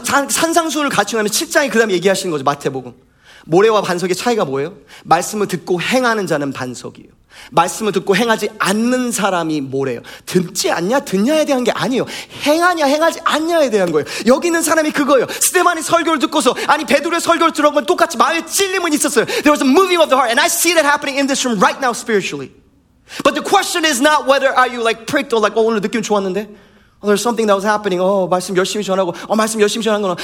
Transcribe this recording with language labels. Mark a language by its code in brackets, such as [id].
[ko] 산상수훈을 같이 하면 7장이 그 다음에 얘기하시는 거죠. 마태복음. 모래와 반석의 차이가 뭐예요? 말씀을 듣고 행하는 자는 반석이에요. 말씀을 듣고 행하지 않는 사람이 모래예요. 듣지 않냐 듣냐에 대한 게 아니에요. 행하냐 행하지 않냐에 대한 거예요. 여기 있는 사람이 그거예요. 스데반이 설교를 듣고서 아니 베드로의 설교를 들어보면 똑같이 마음의 찔림은 있었어요. [en] There was a moving of the heart and I see that happening in this room right now spiritually. But the question is not whether are you like pricked or like oh, [ko] 오늘 느낌 좋았는데. [en] Oh, there's something that was happening. [ko] Oh, 말씀 열심히 전하고. Oh, 말씀 열심히 전하는 거는.